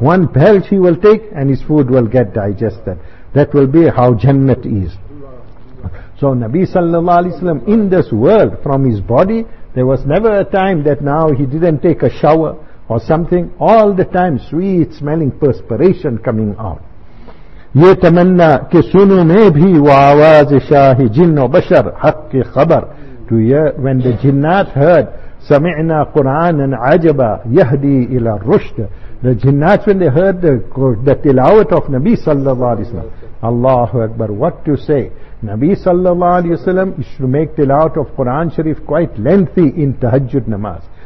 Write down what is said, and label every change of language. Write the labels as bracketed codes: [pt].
[en] One belch he will take, and his food will get digested. That will be how Jannat is. So Nabi sallallahu alayhi wa sallam, in this world, from his body, there was never a time that now he didn't take a shower, or something, all the time sweet smelling perspiration coming out. [ur] یہ تمنا کہ سنو میں بھی وہ آواز شاہ جن و بشر حق کی خبر. تو یہ [en] when the jinnat heard [ar] سمعنا قرآن عجبا یهدی الى الرشد, [en] the jinnats when they heard the tilawat of Nabi sallallahu alayhi wa sallam, Allahu Akbar, what to say? Nabi sallallahu alayhi wa sallam used to make tilawat of Quran Sharif quite lengthy in tahajjud namaz.